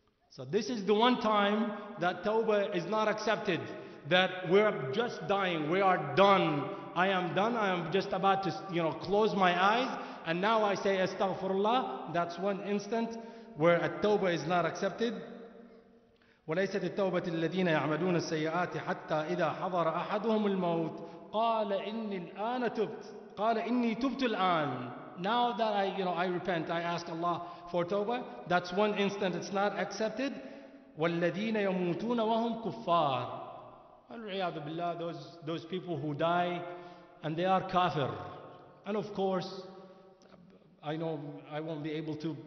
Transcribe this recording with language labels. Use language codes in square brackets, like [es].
[en] So this is the one time that tawbah is not accepted, that we're just dying, we are done. I am done, I am just about to, you know, close my eyes. And now I say astaghfirullah. That's one instant where a tawbah is not accepted. [ar] وليست التوبة الذين يعملون السيئات حتى إذا حضر أحدهم الموت قال إني الآن تبت قال إني تبت الآن. [en] Now that I, you know, I repent, I ask Allah for tawbah. That's one instant it's not accepted. [ar] والذين يموتون وهم كفار. والعياذ بالله, [en] those people who die and they are kafir. And of course, I know I won't be able to.